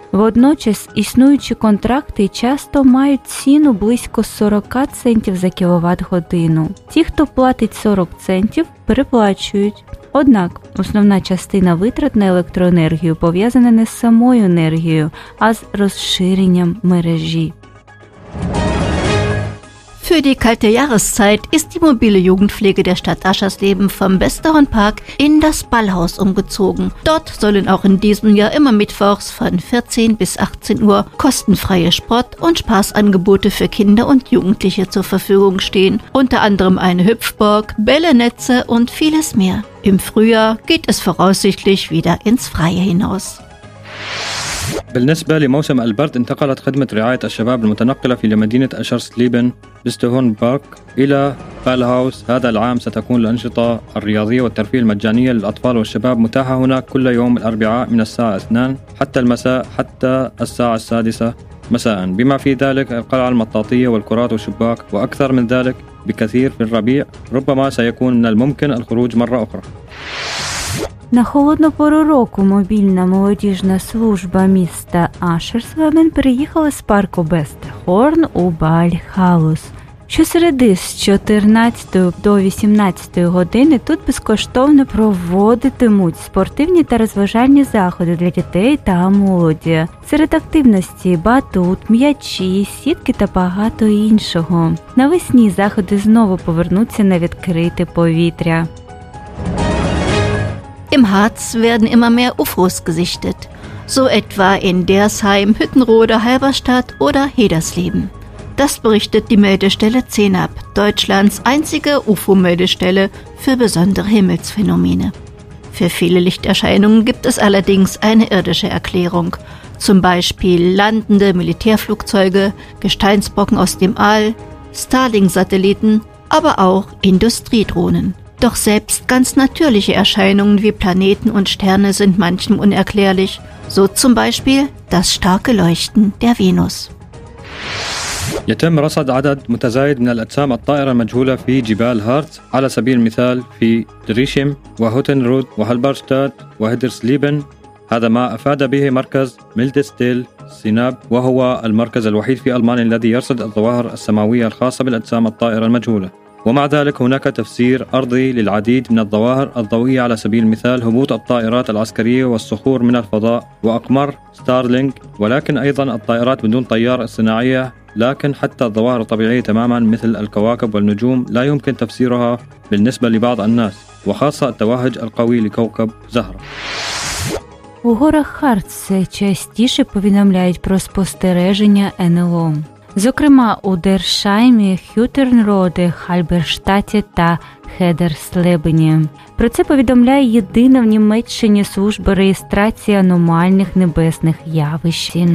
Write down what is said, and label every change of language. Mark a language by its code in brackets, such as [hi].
[uk] Водночас існуючі контракти часто мають ціну близько 40 центів за кіловат-годину. Ті, хто платить 40 центів, переплачують. Однак, основна частина витрат на електроенергію пов'язана не з самою енергією, а з розширенням мережі. [de] Für die kalte Jahreszeit ist die mobile Jugendpflege der Stadt Aschersleben vom Westerhornpark in das Ballhaus umgezogen. Dort sollen auch in diesem Jahr immer mittwochs von 14 bis 18 Uhr kostenfreie Sport- und Spaßangebote für Kinder und Jugendliche zur Verfügung stehen. Unter anderem eine Hüpfburg, Bällenetze und vieles mehr. Im Frühjahr geht es voraussichtlich wieder ins Freie hinaus. [ar] بالنسبة لموسم البرد، انتقلت خدمة رعاية الشباب المتنقلة في مدينة أشرسليبن بستهون بارك إلى بالهاوس. هذا العام ستكون الأنشطة الرياضية والترفيه المجانية للأطفال والشباب متاحة هناك كل يوم الأربعاء من الساعة 2 حتى المساء حتى الساعة 6 مساء، بما في ذلك القلعة المطاطية والكرات والشباك، وأكثر من ذلك بكثير في الربيع ربما سيكون من الممكن الخروج مرة أخرى. [uk] На холодну року мобільна молодіжна служба міста Ашерсвевен приїхала з парку Бестехорн у Бальхалус. Щосереди з 14 до 18 години тут безкоштовно проводитимуть спортивні та розважальні заходи для дітей та молоді. Серед активності – батут, м'ячі, сітки та багато іншого. Навесні заходи знову повернуться на відкрите повітря. [de] Im Harz werden immer mehr UFOs gesichtet. So etwa in Dersheim, Hüttenrode, Halberstadt oder Hedersleben. Das berichtet die Meldestelle CENAP, Deutschlands einzige UFO-Meldestelle für besondere Himmelsphänomene. Für viele Lichterscheinungen gibt es allerdings eine irdische Erklärung. Zum Beispiel landende Militärflugzeuge, Gesteinsbrocken aus dem All, Starlink-Satelliten, aber auch Industriedrohnen. Doch selbst ganz natürliche Erscheinungen wie Planeten und Sterne sind manchem unerklärlich. So zum Beispiel das starke Leuchten der Venus. [ar] يتم رصد عدد متزايد من الأجسام الطائرة المجهولة في جبال هارتز على سبيل المثال في دريشيم وهوتنرود وهالبرشتات وهيدرسليبن هذا ما أفاد به مركز ميلدستيل سيناب وهو المركز الوحيد في ألمانيا الذي يرصد الظواهر السماوية الخاصة بالأجسام الطائرة المجهولة ومع ذلك هناك تفسير أرضي للعديد من الظواهر الضوئية على سبيل المثال هبوط الطائرات العسكرية والصخور من الفضاء وأقمار ستارلينك ولكن أيضا الطائرات بدون طيار صناعية لكن حتى الظواهر الطبيعية تماما مثل الكواكب والنجوم لا يمكن تفسيرها بالنسبة لبعض الناس وخاصة التوهج القوي لكوكب زهرة [uk] У горах Харц частіше повідомляють про спостереження НЛО. Зокрема, у Дершаймі, Хютернроде, Хальберштаті та Хедерслебені. Про це повідомляє єдина в Німеччині служба реєстрації аномальних небесних явищ.